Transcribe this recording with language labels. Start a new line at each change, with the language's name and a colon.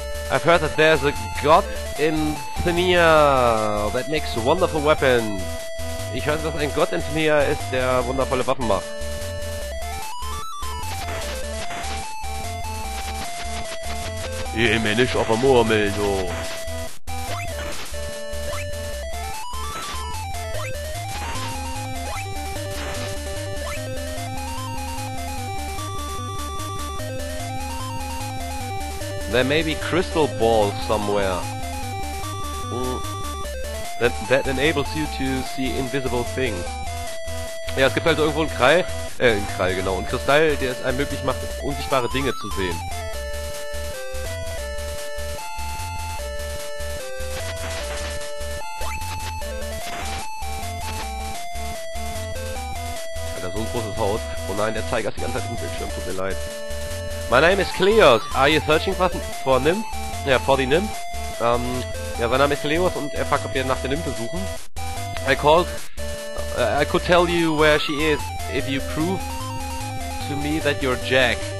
English: I've heard that there's a god in Thania that makes wonderful weapons.
German: Ich höre, dass ein Gott in Thania ist, der wundervolle Waffen macht. Ich bin mir nicht auf der Murmel, so.
English: There may be crystal balls somewhere. That enables you to see invisible things.
German: Ja, es gibt also irgendwo einen Kristall, der es einem möglich macht, unsichtbare Dinge zu sehen. Alter, so ein großes Haus. Oh nein, der zeigt erst die ganze Zeit im Bildschirm, tut mir leid.
English: My name is Cleos. Are you searching for Nymph?
German: Ja,
English: for the Nymph?
German: Ja, sein Name ist Cleos und er fragt, ob wir nach der Nymphe suchen.
English: I could tell you where she is, if you prove to me that you're Jack.